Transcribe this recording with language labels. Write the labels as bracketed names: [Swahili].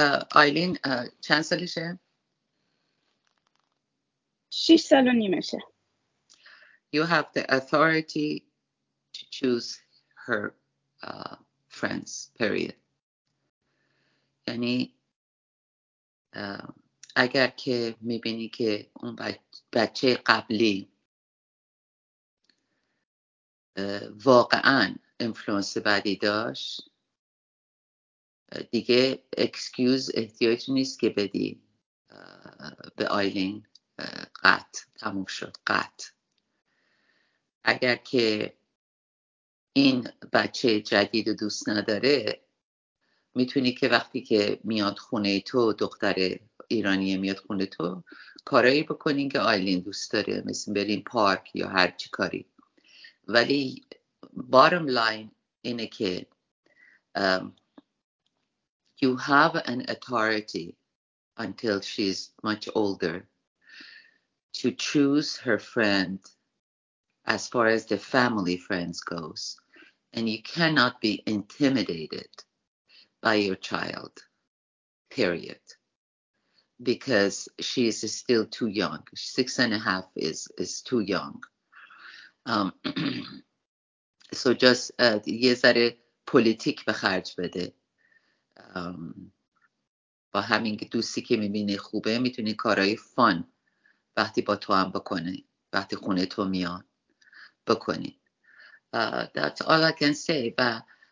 [Persian] آیلین چند سالشه؟ 6 سال و نیمشه. [English] You have the authority to choose her friends, period. [Persian] یعنی اگر که میبینی که اون بچه قبلی واقعا انفلوئنس بدی داشت، دیگه اکسکیوز احتیاج نیست که بدی به آیلین، قط، تموم شد، قط. اگر که این بچه جدید دوست نداره، میتونی که وقتی که میاد خونه تو، دختر ایرانی میاد خونه تو، کارایی بکنین که آیلین دوست داره، مثل بریم پارک یا هر چی کاری. ولی باتم لاین اینه که [English] you have an authority until she's much older to choose her friend as far as the family friends goes, and you cannot be intimidated by your child, period, because she is still too young. 6 and a half is too young. so just [Persian] یه ذره پلیتیک به خرج بده. با همین دوستی که میبینی خوبه میتونی کارهای فان وقتی با تو هم بکنی، وقتی خونه تو میان بکنی. [English] That's all I can say. [Persian] و